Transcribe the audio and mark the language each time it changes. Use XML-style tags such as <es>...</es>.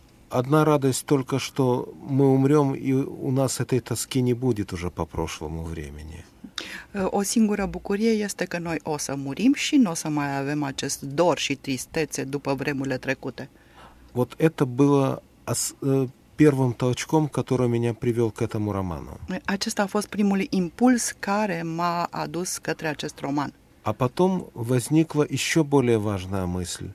<ru>Одна радость только, что мы умрем, и у нас этой тоски не будет уже по прошлому времени.</ru> <ro>O singură bucurie este că noi o să murim și nu o să mai avem acest dor și tristețe după vremurile trecute.</ro> <ru>Вот это было первым толчком, который меня привел к этому роману.</ru> <ro>Acesta a fost primul impuls care m-a adus către acest roman.</ro> <ru>А потом возникла еще более важная мысль.</ru>